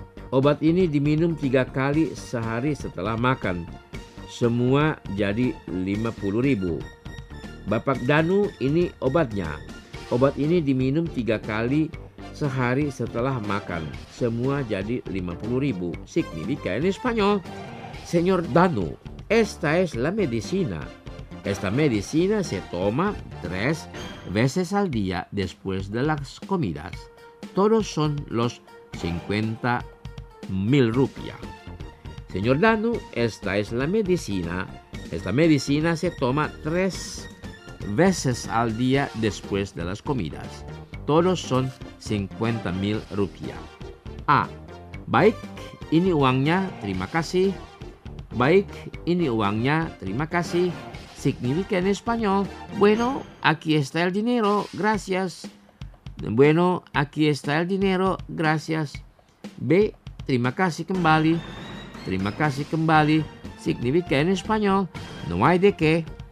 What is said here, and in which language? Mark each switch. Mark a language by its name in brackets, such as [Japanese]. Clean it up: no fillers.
[Indonesian] Obat ini diminum 3 kali sehari setelah makan. Semua jadi 50.000. Bapak Danu, ini obatnya. Obat ini diminum 3 kali sehari setelah makan. Semua jadi 50.000. [Spanish] Significa en español. Señor Danu, esta es la medicina. Esta medicina se toma 3 veces al día después de las comidas. Todos son los 50.000 rupias. Señor Danu, esta es la medicina. Esta medicina se toma 3 veces al día después de las comidas. Todos son 50.000 rupiah. [Indonesian] Baik, ini uangnya, terima kasih. Baik, ini uangnya, terima kasih. [Spanish] Significa en español, bueno, aquí está el dinero, gracias. Bueno, aquí está el dinero, gracias. B, [Indonesian] terima kasih kembali. [Spanish] Significa en español, no hay de qué.